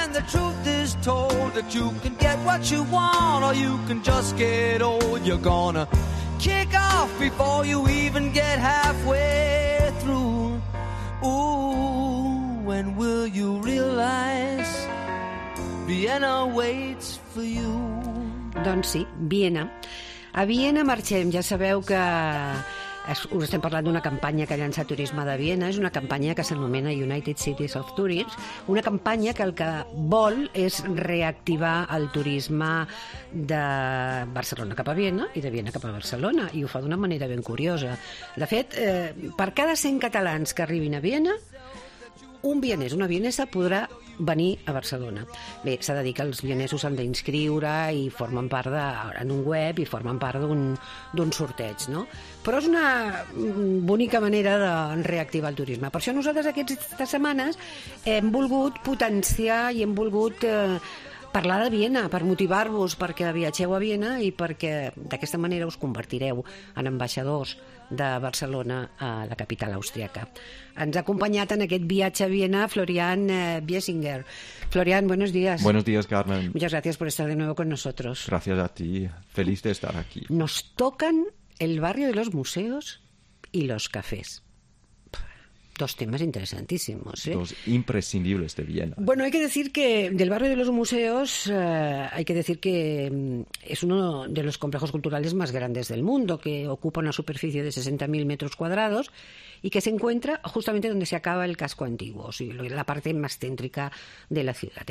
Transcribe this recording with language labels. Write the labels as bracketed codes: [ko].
[en] truth is told that you can get what you want or you can just get old. You're gonna kick off before you even get halfway through. Ooh, when will you realize Vienna waits for you? [ca] Doncs sí, Viena. A Viena marxem. Ja sabeu que us estem parlant d'una campanya que llança Turisme de Viena. És una campanya que s'anomena United Cities of Tourism. Una campanya que el que vol és reactivar el turisme de Barcelona cap a Viena i de Viena cap a Barcelona. I ho fa d'una manera ben curiosa. De fet, per cada 100 catalans que arribin a Viena, un vienès, una vienesa, podrà venir a Barcelona. Bé, s'ha de dir que els vienesos s'han d'inscriure i formen part de, en un web i formen part d'un sorteig, no? Però és una bonica manera de reactivar el turisme. Per això nosaltres aquestes setmanes hem volgut potenciar i hem volgut parlar de Viena, per motivar-vos perquè viatgeu a Viena i perquè d'aquesta manera us convertireu en ambaixadors de Barcelona a la capital austríaca. Ens ha acompanyat en aquest viatge a Viena Florian Biesinger. [es] Florian, buenos días. Buenos días, Carmen. Muchas gracias por estar de nuevo con nosotros. Gracias a ti. Feliz de estar aquí. Nos tocan el barrio de los museos y los cafés. Dos temas interesantísimos, ¿eh? Dos imprescindibles de Viena. Bueno, hay que decir que del barrio de los museos, hay que decir que es uno de los complejos culturales más grandes del mundo, que ocupa una superficie de 60.000 metros cuadrados y que se encuentra justamente donde se acaba el casco antiguo, o sea, la parte más céntrica de la ciudad.